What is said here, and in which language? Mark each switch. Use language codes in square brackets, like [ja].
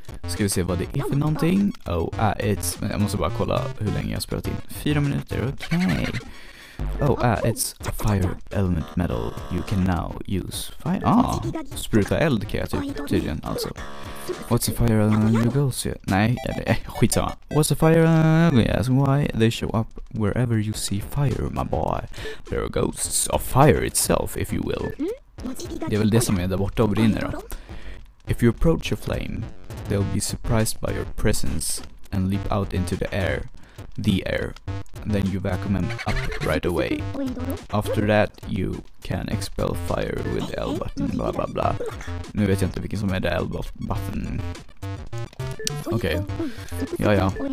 [sv] Ska vi se vad det är för någonting? Jag måste bara kolla hur länge jag har spelat in. 4 minuter, okej. [en] It's a fire element metal. You can now use fire. [sv] Spruta eld kan jag typ tydligen alltså. [en] What's a fire element you go see? [sv] Nej, skitsamma. [en] What's a fire element? Yes, why they show up wherever you see fire, my boy. There are ghosts of fire itself, if you will. [sv] Det är väl det som är där borta och brinner då. [en] If you approach a flame, they'll be surprised by your presence and leap out into the air. The air. Then you vacuum them up right away. After that you can expel fire with the L button, blah blah blah. [sv] Nu vet jag inte vilken som är det L button. Okej. Ja ja.